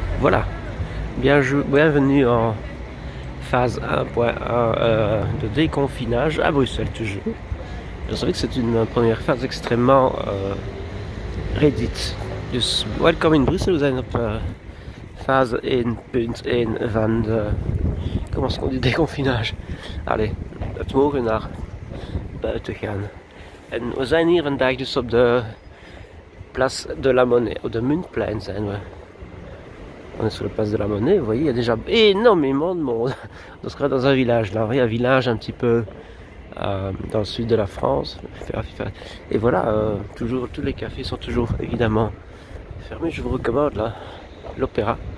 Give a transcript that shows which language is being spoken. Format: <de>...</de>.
<fr>Voilà, bienvenue en phase 1.1 de déconfinage à Bruxelles toujours. Je savais que c'est une première phase extrêmement réduite.</fr> <en>Just welcome in</en> <fr>Bruxelles, vous êtes en phase 1.1</fr> <nl>van de...</nl> <fr>Comment est-ce qu'on dit déconfinage?</fr> <nl>Allez, het mogen naar buiten gaan. En we zijn hier vandaag dus op de place de la Monnaie, op de Muntplein zijn we.</nl> <fr>On est sur la place de la Monnaie, vous voyez, il y a déjà énormément de monde. On serait dans un village, là, il y a un village un petit peu dans le sud de la France. Et voilà, toujours, tous les cafés sont toujours évidemment fermés. Je vous recommande là, l'opéra.</fr>